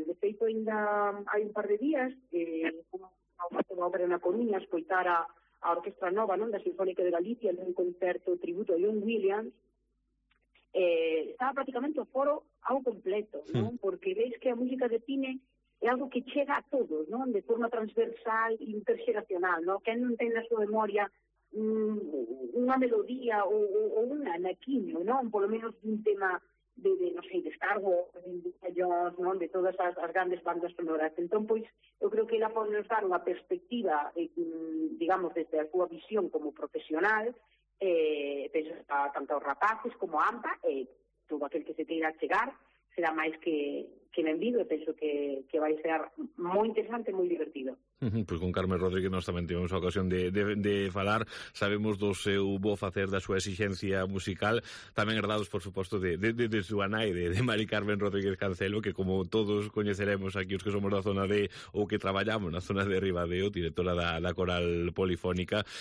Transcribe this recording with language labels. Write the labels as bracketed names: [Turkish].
[Galician] De feito, ainda hai un par de días que a obra na Coruña escoitar a Orquestra Nova, non? Da Sinfónica de Galicia, en un concerto tributo a John Williams. Estaba prácticamente o foro ao completo, sí. Non? Porque veis que a música de cine é algo que chega a todos, non? De forma transversal, interxeracional, non? Quen non ten na súa memoria [Spanish] una melodía o un anaquiño, ¿no? Por lo menos un tema de no sé, de Star Wars, de Indiana Jones, ¿no? De todas las grandes bandas sonoras. Entonces, pues, yo creo que él puede nos dar una perspectiva, digamos, desde su visión como profesional, pues, tanto a los rapaces como a AMPA, todo aquel que se quiera llegar, será más que benvido, [Galician] e penso que vai ser moi interesante e moi divertido. Pois con Carmen Rodríguez nós tamén tivemos a ocasión de falar, sabemos do seu bo facer, da súa exigencia musical, tamén herdados, por suposto, de súa nai, de Mari Carmen Rodríguez Cancelo, que como todos coñeceremos aquí os que somos da zona de, ou que traballamos na zona de Ribadeo, directora da Coral Polifónica,